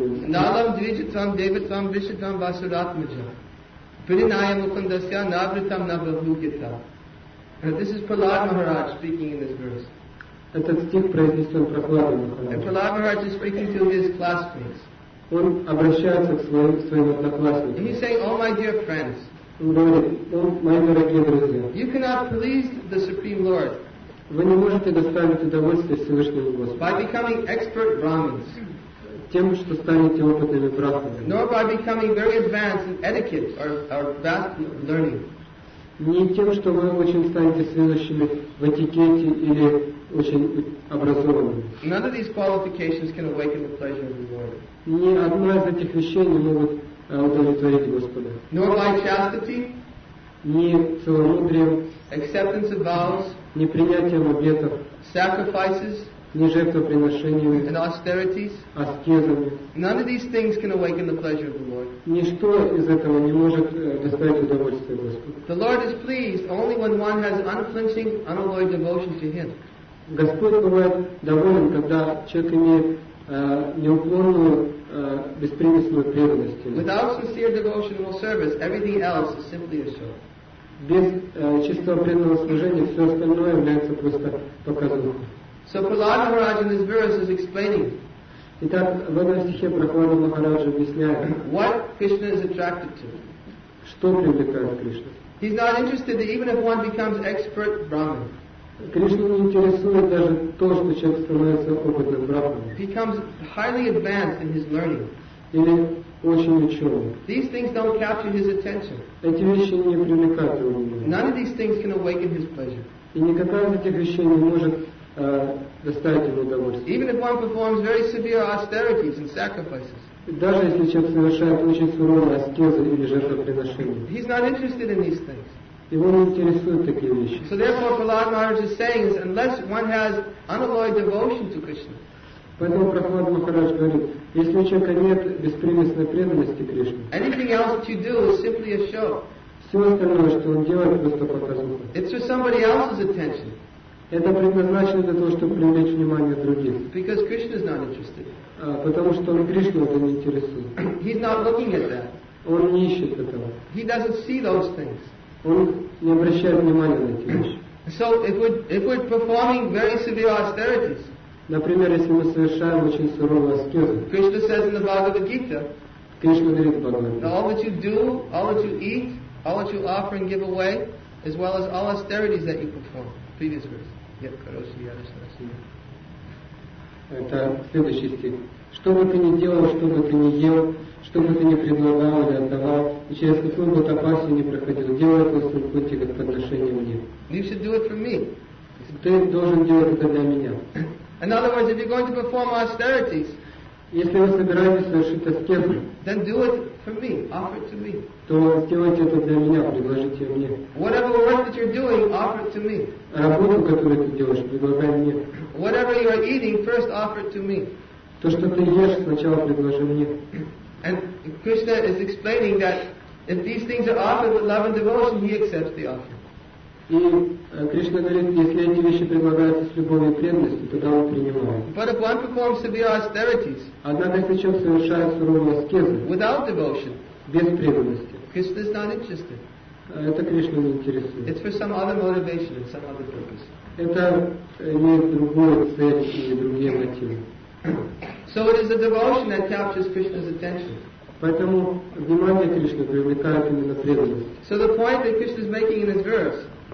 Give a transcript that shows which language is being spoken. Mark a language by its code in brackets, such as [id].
[sa] Nalam dvijitam devatam vishitam vasuratmajam pirinaya mukundasya navritam navabhugita. [en] This is Prahlad Maharaj speaking in this verse. [ru] Этот стих произнесен Прохладом Махараджем. [en] And Prahlad Maharaj is speaking to his classmates. [ru] Он обращается к своим одноклассникам. [en] And he's saying, oh my dear friends, [ru] мои дорогие друзья, [en] you cannot please the Supreme Lord. [ru] Вы не можете доставить удовольствие Всевышнему Господу. [en] By becoming expert brahmins. [ru] Тем, что станете опытными брахманами. [en] Nor by becoming very advanced in etiquette or vast learning. [ru] Не тем, что вы очень станете следующими в этикете или очень образованными. [en] None of these qualifications can awaken the pleasure of the Lord. [ru] Ни одна из этих вещей не могут удовлетворить Господа. [en] Nor by chastity. [ru] Ни целомудрием. [en] Acceptance of vows. [ru] Непринятием обетов, [en] sacrifices, [ru] не жертвоприношениями, [en] and austerities, [ru] аскезами. [en] None of these things can awaken the pleasure of the Lord. [ru] Ничто из этого не может доставить удовольствие Господу. [en] The Lord is pleased only when one has unflinching, unalloyed devotion to Him. [ru] Господь бывает доволен, когда человек имеет неуклонную, беспримесную преданность. [en] Without sincere devotional service, everything else is simply a show. [ru] Без чистого преданного служения все остальное является просто показуха. [en] So Prahlad Maharaj in this verse is explaining. [ru] Итак, в этом стихе Прохлада Махараджа объясняет. [en] What Krishna is attracted to. [ru] Что привлекает Кришну? [en] He's not interested that even if one becomes expert brahmin. [ru] Кришну не интересует даже то, что человек становится опытным брахманом. [en] He becomes highly advanced in his learning. [ru] Или очень ученый. [en] These things don't capture his attention. [ru] Эти вещи не привлекают его внимания. [en] None of these things can awaken his pleasure. [ru] И никакая из этих вещей не может доставить ему удовольствие. [en] Even if one performs very severe austerities and sacrifices. [ru] Даже если человек совершает очень суровые аскезы или жертвоприношения. [en] He's not interested in these things. [ru] Его не интересуют такие вещи. [en] So therefore, Prahlad Maharaj is saying is, unless one has unalloyed devotion to Krishna. [ru] Поэтому Прохлад Махарадж говорит, если у человека нет беспримесной преданности Кришне, [en] anything else you do is simply a show. [ru] Все остальное, что он делает, просто показуха. [en] It's for somebody else's attention. [ru] Это предназначено для того, чтобы привлечь внимание других. [en] Because Krishna is not interested. [ru] Потому что он Кришну это не интересует. [en] He's not looking at that. [ru] Он не ищет этого. [en] He doesn't see those things. [ru] Он не обращает внимания на эти вещи. [en] So if we're performing very severe austerities. [ru] Например, если мы совершаем очень суровые аскезы. [en] Krishna says in the Bhagavad Gita. [ru] Кришна говорит в Бхагавад Гите. [en] All that you do, all that you eat, all that you offer and give away, as well as all austerities that you perform. Previous verse. Yep, Karoshi Yadashrasiya. [ru] Это следующий стих. Что бы ты ни делал, что бы ты ни ел, что бы ты ни предлагал или отдавал, и через какую бы опасность не проходил, делай это в своем пути как подношение мне. [en] You should do it for me. [ru] Ты должен делать это для меня. [en] In other words, if you're going to perform austerities, [ru] если вы собираетесь совершить аскезу, [en] then do it for me, offer it to me. [ru] То сделайте это для меня, предложите мне. [en] Whatever work that you're doing, offer it to me. [ru] Работу, которую ты делаешь, предлагай мне. [en] Whatever you are eating, first offer it to me. [ru] То, что ты ешь, сначала предложи мне. [en] And Krishna is explaining that if these things are offered with love and devotion, he accepts the offer. [ru] И Кришна говорит, если эти вещи предлагаются с любовью и преданностью, тогда он принимает. [en] But if one performs severe austerities, [ru] однако если человек совершает суровые аскезы, [en] without devotion, [ru] без преданности, [en] Krishna is not interested. [ru] Это Кришна не интересует. [en] It's for some other motivation and some other purpose. [ru] Это имеет другую цель или другие мотивы. [en] So it is the devotion that captures Krishna's attention. [ru] Поэтому внимание Кришны привлекает именно преданность. [en] So the point that Krishna is making in his verse.